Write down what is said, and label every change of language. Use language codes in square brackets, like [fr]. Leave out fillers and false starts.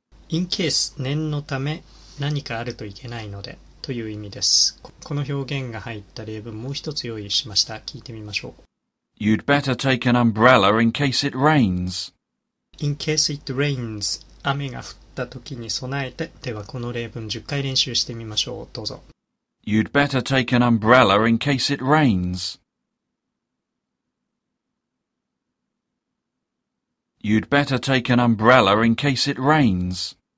[ja] In case 念のため何かあるといけないのでという意味です。この表現が入った例文もう一つ用意しました。聞いてみましょう。 [en] You'd better take an umbrella in case it rains. In case it rains, [ja] 雨が降っった時に備えて、ではこの例文10回練習してみましょう。どうぞ。 [en] You'd better take an umbrella in case it rains. You'd better take an umbrella in case it rains.